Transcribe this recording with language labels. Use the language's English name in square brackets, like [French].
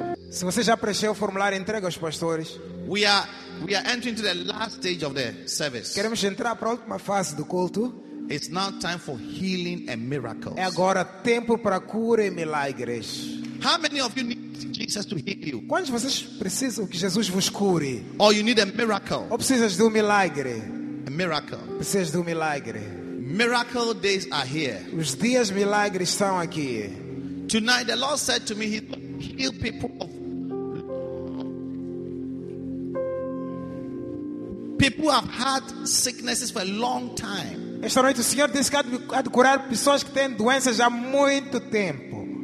[Portuguese] Se você já preencheu o formulário, entrega aos pastores. [English] We are entering to the last stage of the service. [Portuguese] Queremos entrar para a última fase do culto. [English] It's now time for healing and miracles. [Portuguese] É agora tempo para cura e milagres. [English] How many of you need Jesus to heal you? [Portuguese] Quantos de vocês precisam que Jesus vos cure? [English] Or you need a miracle? [Portuguese] Ou precisas de um milagre? [English] A miracle. [Portuguese] Precisas de um milagre? [English] Miracle days are here. [Portuguese] Os dias milagres estão aqui. [English] Tonight the Lord said to me, He heal people of people have had sicknesses for a long time. [Portuguese] Esta noite o Senhor disse que há de curar pessoas que têm doenças já há muito tempo.